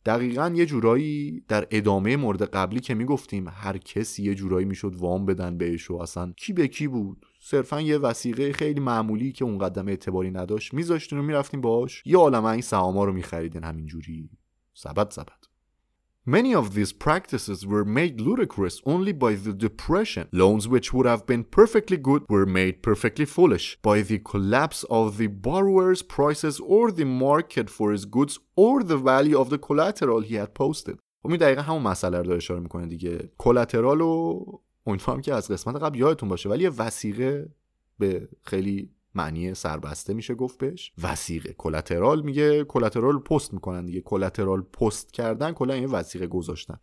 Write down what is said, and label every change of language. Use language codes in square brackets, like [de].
[fa] دقیقاً یه جورایی در ادامه مورد قبلی که میگفتیم هر کسی یه جورایی میشد وام بدن بهش و اصلا کی به کی بود، صرفاً یه وثیقه خیلی معمولی که اون قدم اعتباری نداشت میذاشتین و میرفتین باش یه عالمه این سهاما رو میخریدین همین جوری سبد سبد. [en] Many of these practices were made ludicrous only by the depression. Loans which would have been perfectly good were made perfectly foolish by the collapse of the borrower's prices or the market for his goods or the value of the collateral he had posted. [fa] خب این دقیقه همون مسئله رو داره اشاره میکنه دیگه. کلاترال رو امیدوارم که از قسمت قبل یادتون باشه، ولی یه وثیقه به خیلی معنی سربسته میشه گفت بهش وثیقه. کلاترال میگه کلاترال پست میکنن دیگه، کلاترال پست کردن، کلا این وثیقه گذاشتن.